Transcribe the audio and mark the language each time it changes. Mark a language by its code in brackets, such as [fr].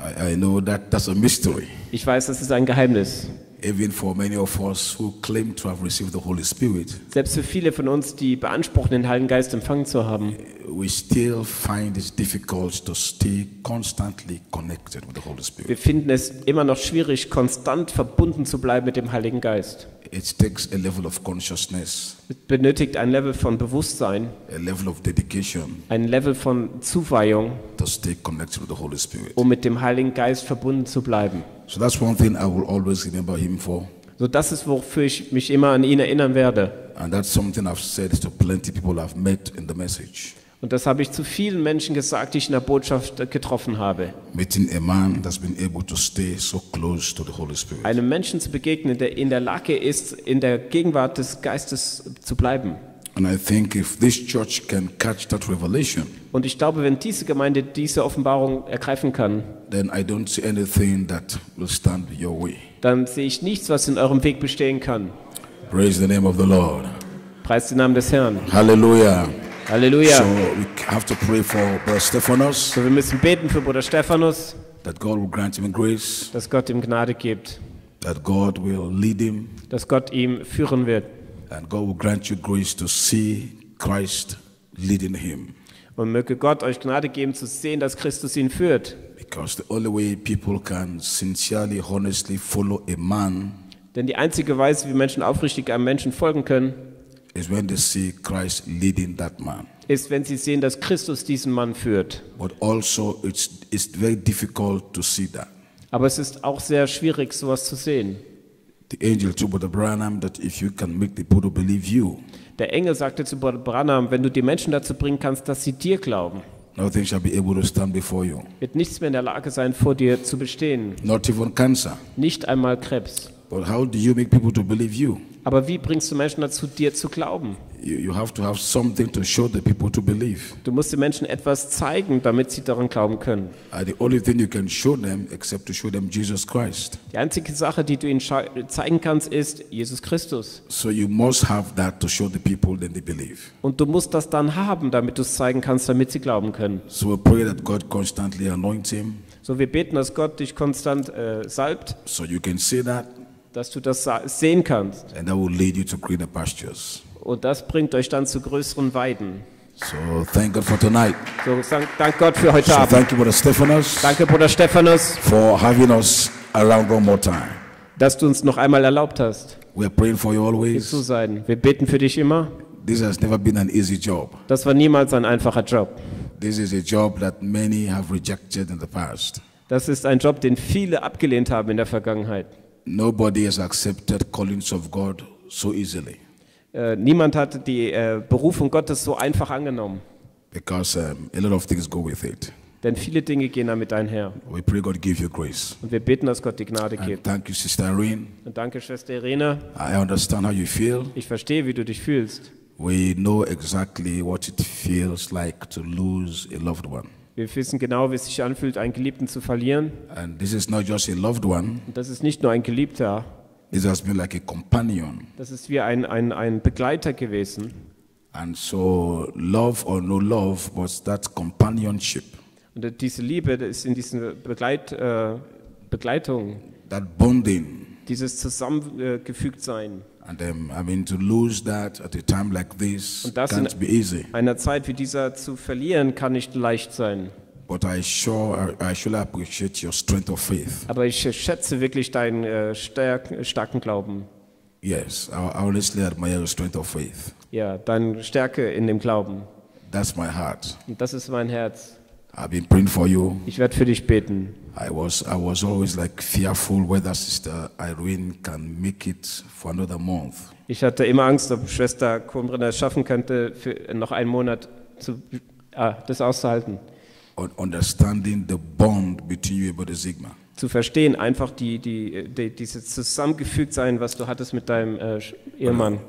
[en] I know that that's a mystery. [de] Ich weiß, das ist ein Geheimnis. [en] Even for many of us who claim to have received the Holy Spirit, [de] selbst für viele von uns, die beanspruchen, den Heiligen Geist empfangen zu haben, [en] we still find it difficult to stay constantly connected with the Holy Spirit. [de] Wir finden es immer noch schwierig, konstant verbunden zu bleiben mit dem Heiligen Geist. [en] It takes a level of consciousness. [de] Es benötigt ein Level von Bewusstsein. [en] A level of dedication. [de] Ein Level von Zuweihung. [en] To stay connected with the Holy Spirit. [de] Um mit dem Heiligen Geist verbunden zu bleiben. [en] So that's one thing I will always remember him for. [de] So das ist, wofür ich mich immer an ihn erinnern werde. [en] And that's something I've said to plenty of people I've met in the message. [de] Und das habe ich zu vielen Menschen gesagt, die ich in der Botschaft getroffen habe. [en] Meeting a man that's been able to stay so close to the Holy Spirit. [de] Einem Menschen zu begegnen, der in der Lage ist, in der Gegenwart des Geistes zu bleiben. [en] And I think if this church can catch that revelation. [de] Und ich glaube, wenn diese Gemeinde diese Offenbarung ergreifen kann, [en] then I don't see anything that will stand your way. [de] Dann sehe ich nichts, was in eurem Weg bestehen kann. [en] Praise the name of the Lord. [de] Preist den Namen des Herrn. [en] Hallelujah. [de] Halleluja. [en] So we have to pray for Brother Stephanos. [de] So wir müssen beten für Bruder Stephanos. [en] That God will grant him grace. [de] Dass Gott ihm Gnade gibt. [en] That God will lead him. [de] Dass Gott ihm führen wird. [en] And God will grant you grace to see Christ leading him. [de] Und möge Gott euch Gnade geben zu sehen, dass Christus ihn führt. [en] Because the only way people can sincerely, honestly follow a man. [de] Denn die einzige Weise, wie Menschen aufrichtig einem Menschen folgen können. [en] Is when they see Christ leading that man. [de] Ist, wenn sie sehen, dass Christus diesen Mann führt. [en] But also it's very difficult to see that. [de] Aber es ist auch sehr schwierig, sowas zu sehen. [en] The angel told Brother Branham that if you can make the Buddha believe you. [de] Der Engel sagte zu Brother Branham, wenn du die Menschen dazu bringen kannst, dass sie dir glauben. [en] Nothing shall be able to stand before you. [de] Wird nichts mehr in der Lage sein, vor dir zu bestehen. [en] Not even cancer. [de] Nicht einmal Krebs. [en] But how do you make people to believe you? [de] Aber wie bringst du Menschen dazu, dir zu glauben? [en] You have to have something to show the people to believe. [de] Du musst den Menschen etwas zeigen, damit sie daran glauben können. [en] The only thing you can show them, except to show them Jesus Christ. [de] Die einzige Sache, die du ihnen zeigen kannst, ist Jesus Christus. [en] So you must have that to show the people that they believe. [de] Und du musst das dann haben, damit du es zeigen kannst, damit sie glauben können. [en] So we pray that God constantly anoint him. [de] So wir beten, dass Gott dich konstant salbt. [en] So you can see that. [de] Dass du das sehen kannst. [en] And that will lead you to greener pastures. [de] Und das bringt euch dann zu größeren Weiden. [en] So, thank God for tonight. [de] So, dank Gott für heute Abend. [en] Thank you, Brother Stephanos. [de] Danke, Bruder Stephanos. [en] For having us around one more time. [de] Dass du uns noch einmal erlaubt hast. [en] We are praying for you always. [de] Zu sein. Wir beten für dich immer. [en] This has never been an easy job. [de] Das war niemals ein einfacher Job. [en] This is a job that many have rejected in the past. [de] Das ist ein Job, den viele abgelehnt haben in der Vergangenheit. [en] Nobody has accepted callings of God so easily. [de] Niemand hat die Berufung Gottes so einfach angenommen. [en] Because a lot of things go with it. [de] Denn viele Dinge gehen damit einher. [en] We pray God give you grace. [de] Und wir beten, dass Gott die Gnade gibt. [en] And thank you, Sister Irene. [de] Und danke, Schwester Irene. [en] I understand how you feel. [de] Ich verstehe, wie du dich fühlst. [en] We know exactly what it feels like to lose a loved one. [de] Wir wissen genau, wie es sich anfühlt, einen Geliebten zu verlieren. [en] And this is not just a loved one. [de] Und das ist nicht nur ein Geliebter. [en] It has been like a companion. [de] Das ist wie ein Begleiter gewesen. [en] And so love or no love was that companionship. [de] Und diese Liebe ist in dieser Begleitung. [en] That bonding. [de] dieses zusammengefügt sein. [en] And I mean, to lose that at a time like this can't be easy. [de] In einer Zeit wie dieser zu verlieren kann nicht leicht sein. [en] But I surely appreciate your strength of faith. [de] Aber ich schätze wirklich deinen starken Glauben. [en] Yes, I honestly admire your strength of faith. [de] Ja, deine Stärke in dem Glauben. [en] That's my heart. [de] Und das ist mein Herz. [en] I've been praying for you. [de] Ich werde für dich beten. [en] I was always like fearful whether Sister Irene can make it for another month. [de] Ich hatte immer Angst, ob Schwester Kornbrenner es schaffen könnte, für noch einen Monat das auszuhalten. [en] Understanding the bond between you and Brother Sigma. [de] Zu verstehen, einfach dieses Zusammengefügtsein, was du hattest mit deinem Ehemann.